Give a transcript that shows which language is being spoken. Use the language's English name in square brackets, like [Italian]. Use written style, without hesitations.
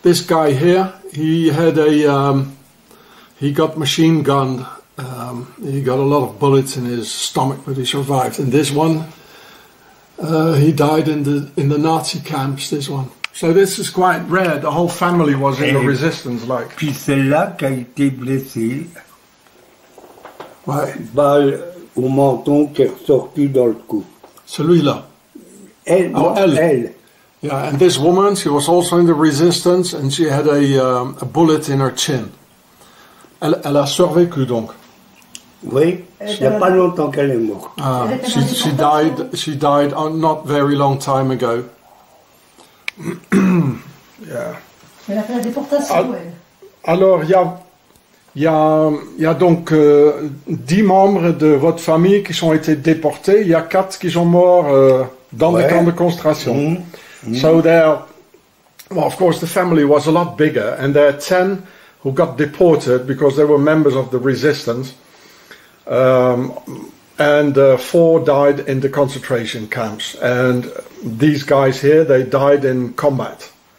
[English] This guy here, he had a, he got machine gunned. He got a lot of bullets in his stomach, but he survived. And this one, he died in the Nazi camps, this one. So this is quite rare. The whole family was in the resistance, like. [French] Puis c'est là qu'a été blessé. Ouais. Balle au menton qui est sortie dans le cou. Celui-là. Elle, oh, elle. [English] Yeah, and this woman, she was also in the resistance, and she had a bullet in her chin. [French] Elle a survécu, donc. Oui, ce n'est pas longtemps qu'elle est morte. [English] Ah, she died not very long time ago. Yeah. [French] Elle a fait la déportation, elle. Alors, il y a donc 10 membres de votre famille qui ont été déportés. Il y a 4 qui sont morts dans les camps de concentration. [English] So there, well, of course, the family was a lot bigger, and there are 10 who got deported because they were members of the resistance, and 4 died in the concentration camps. And these guys here, they died in combat.